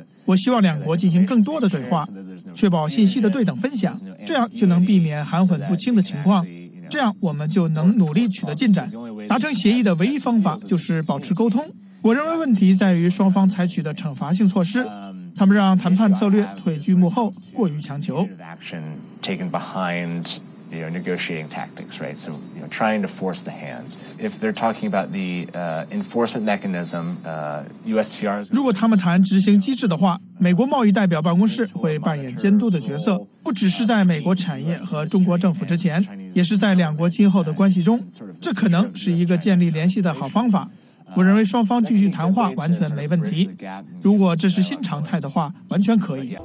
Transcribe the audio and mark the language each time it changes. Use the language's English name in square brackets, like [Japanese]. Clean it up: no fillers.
[Chinese] 我希望两国进行更多的对话，确保信息的对等分享，这样就能避免含混不清的情况，这样我们就能努力取得进展。达成协议的唯一方法就是保持沟通。我认为问题在于双方采取的惩罚性措施，他们让谈判策略退居幕后，过于强求。 [English] Taken behind your negotiating tactics, right? So, you know, trying to force the hand. If they're talking about the enforcement mechanism, USTR. [Chinese] 如果他们谈执行机制的话，美国贸易代表办公室会扮演监督的角色，不只是在美国产业和中国政府之前，也是在两国今后的关系中。这可能是一个建立联系的好方法。我认为双方继续谈话完全没问题，如果这是新常态的话，完全可以。